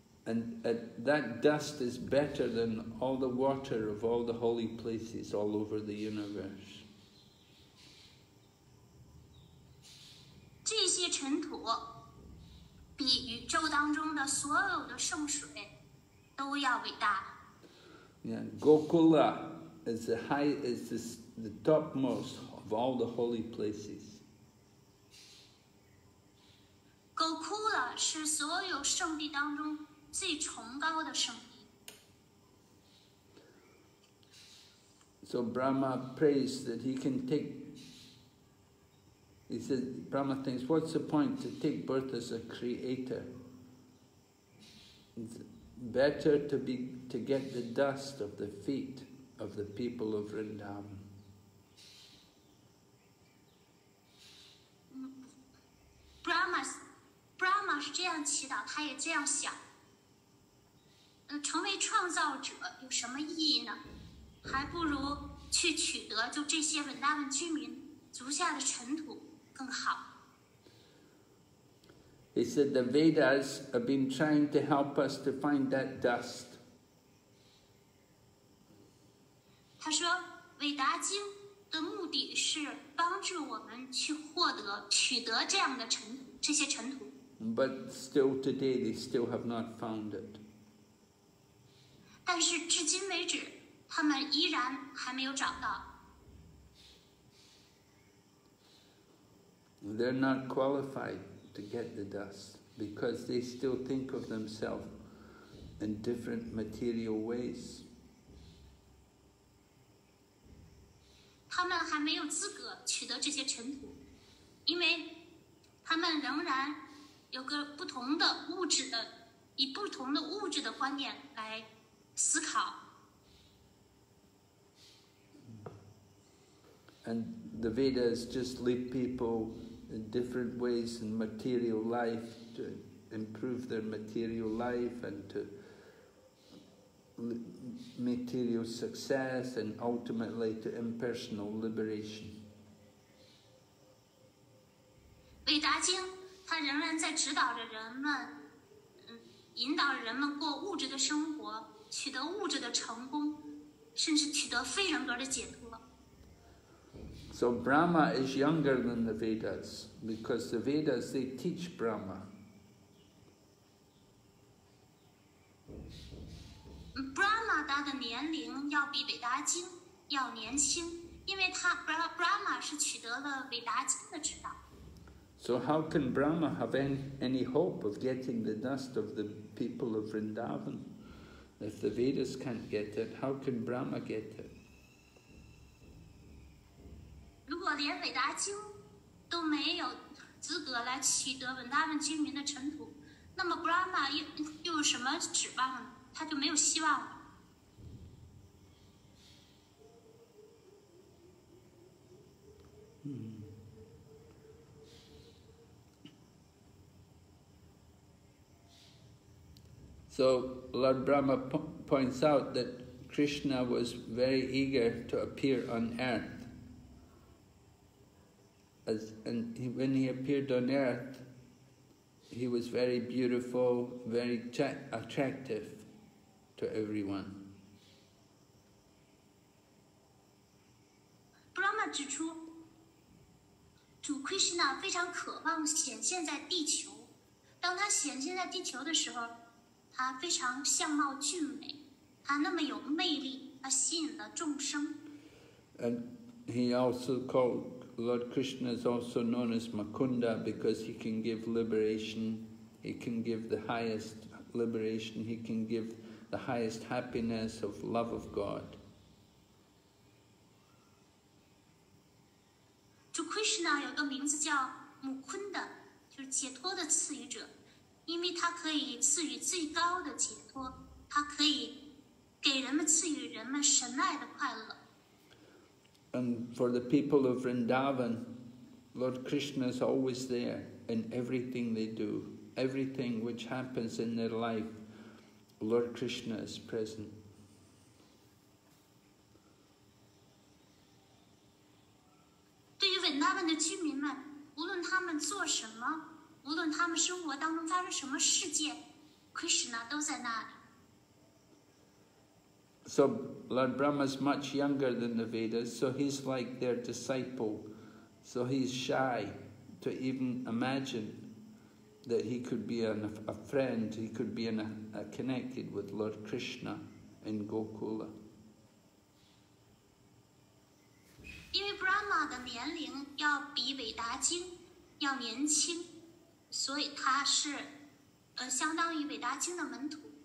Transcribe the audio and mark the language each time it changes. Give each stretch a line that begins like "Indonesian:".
English: And that dust is better than all the water of all the holy places all over the universe.
Chinese: 这些尘土比宇宙当中的所有的圣水都要伟大。
English: Yeah, Gokula is the topmost of all the holy places.
Chinese: Gokula 是所有圣地当中最崇高的圣地。
English: So Brahma prays that he can take. He says, Brahma thinks, what's the point to take birth as a creator? It's better to get the dust of the feet of the people of Vrindavan.
Chinese: Brahma 是这样祈祷，他也这样想。成为创造者有什么意义呢？还不如去取得就这些伟大的居民足下的尘土更好。
English: He said the Vedas have been trying to help us to find that dust.
Chinese: 他说，伟大经的目的是帮助我们去获得、取得这样的尘土。这些尘土
English: But still today they still have not found it.
Chinese: 但是至今为止他们依然还没有找到。
English: They're not qualified to get the dust because they still think of themselves in different material ways.
Chinese: 他们还没有资格取得这些尘土，因为他们仍然有个不同的物质的，以不同的物质的观念来思考。
English: And the Vedas just lead people in different ways in material life to improve their material life and to material success and ultimately to impersonal liberation.
Chinese: 韦达经他仍然在指导着人们引导人们过物质的生活取得物质的成功，甚至取得非人格的解脱。
English: So Brahma is younger than the Vedas because the Vedas they teach Brahma.
Chinese: Brahma 的年龄要比伟达经要年轻，因为他 Brahma 是取得了伟达经的指导。
English: So how can Brahma have any hope of getting the dust of the people of Vrindavan? If the Vedas can't get it, how can Brahma get it?
Chinese: 如果连伟达经都没有资格来取得文达文居民的尘土，那么 Brahma 又有什么指望呢？他就没有希望了。
English: So Lord Brahma points out that Krishna was very eager to appear on earth. When he appeared on earth, he was very beautiful, very attractive to everyone.
Chinese: Brahma 指出，主 Krishna 非常渴望显现在地球。当他显现在地球的时候，他非常相貌俊美，他那么有魅力，他吸引了众生。
English: And he also called Lord Krishna is also known as Mukunda because he can give liberation, he can give the highest liberation, he can give the highest happiness of love of God.
Chinese: To Krishna 有个名字叫 Mukunda， 就是解脱的赐予者。因为他可以赐予最高的解脱，他可以给人们赐予人们神爱的快乐。
English: And for the people of Vrindavan, Lord Krishna is always there in everything they do. Everything which happens in their life, Lord Krishna is present.
Chinese: 对于 Vrindavan 的居民们，无论他们做什么，无论他们生活当中发生什么事件， Krishna 都在那里。
English: So Lord Brahma is much younger than the Vedas, so he's like their disciple. So he's shy to even imagine that he could be a friend, he could be connected with Lord Krishna in Gokula.
Chinese: 因为 Brahma 的年龄要比伟达经要年轻，所以他是相当于伟达经的门徒。